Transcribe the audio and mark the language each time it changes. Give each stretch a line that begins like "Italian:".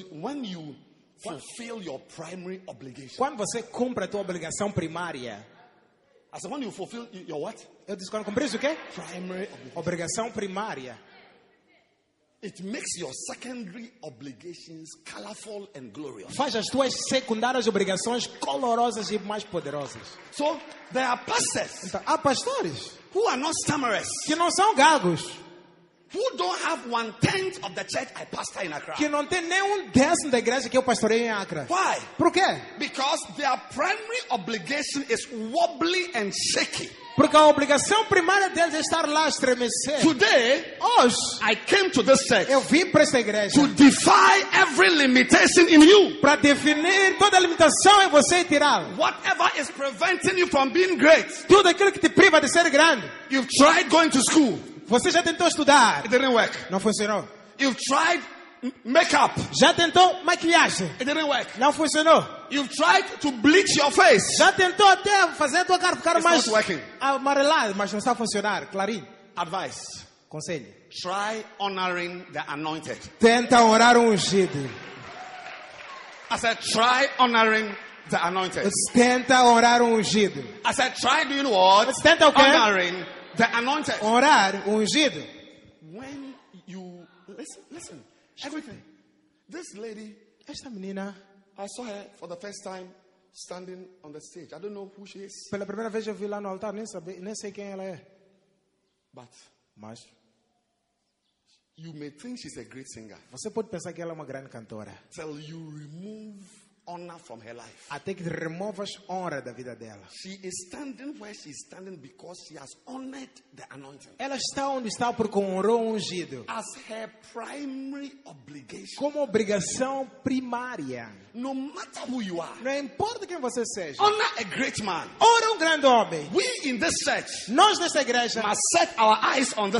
English: When you fulfill your primary obligation.
Portuguese: Quando você cumpre a tua obrigação primária.
English: As when you fulfill your what?
Portuguese: Eu disse quando cumpres o quê?
English: Primary obligation.
Portuguese: Obrigação primária.
English: It makes your secondary obligations colorful and glorious.
Portuguese: Faz as tuas secundárias obrigações colorosas e mais poderosas.
English: So there are pastors.
Portuguese: Então, há pastores
English: who are not stammerers.
Portuguese: Que não são gagos.
English: Who don't have one tenth of the church I pastor in Accra.
Portuguese: Que não tem nem um décimo da igreja que eu pastorei em Accra.
English: Why?
Portuguese: Por quê?
English: Because their primary obligation is wobbly and shaky.
Portuguese: Porque a obrigação primária deles é estar lá a estremecer.
English: Today,
Portuguese: hoje,
English: I came to this church.
Portuguese: Eu vim para esta igreja.
English: To defy every limitation in you.
Portuguese: Para definir toda a limitação em você e tirá-la.
English: Whatever is preventing you from being great.
Portuguese: Tudo aquilo que te priva de ser grande.
English: You've tried going to school.
Portuguese: Você já tentou estudar.
English: It didn't work.
Portuguese: Não funcionou.
English: You've tried makeup.
Portuguese: Já tentou maquiagem.
English: It didn't work.
Portuguese: Não funcionou.
English: You've tried to bleach your face.
Portuguese: Já tentou até fazer a tua cara ficar mais amarelada, mas não está a funcionar. Clarinho.
English: Advice.
Portuguese: Conselho.
English: Try honoring the anointed.
Portuguese: Tenta honrar o ungido.
English: I said, try honoring the anointed.
Portuguese: Tenta honrar o ungido.
English: I said, try doing what?
Portuguese: Tenta o quê?
English: Honoring the anointed.
Portuguese: Honrar o ungido.
English: When you listen. Everything. This lady,
Portuguese: esta menina,
English: I saw her for the first time standing on the stage. I don't know who she is.
Portuguese: Pela primeira vez eu vi lá no altar, nem sei quem ela é.
English: But,
Portuguese: mas,
English: you may think she's a great singer.
Portuguese: Você pode pensar que ela é uma grande cantora.
English: Till you remove honor from her life.
Portuguese: Até que removas honra da vida dela.
English: She is standing where she is standing because she has honored the anointing.
Portuguese: Ela está onde está porque honrou o ungido.
English: As her primary obligation.
Portuguese: Como obrigação primária.
English: No matter who you are.
Portuguese: Não importa quem você seja.
English: Honor a great man.
Portuguese: Honra um grande homem.
English: We in this church.
Portuguese: Nós nesta igreja.
English: Must set our eyes on this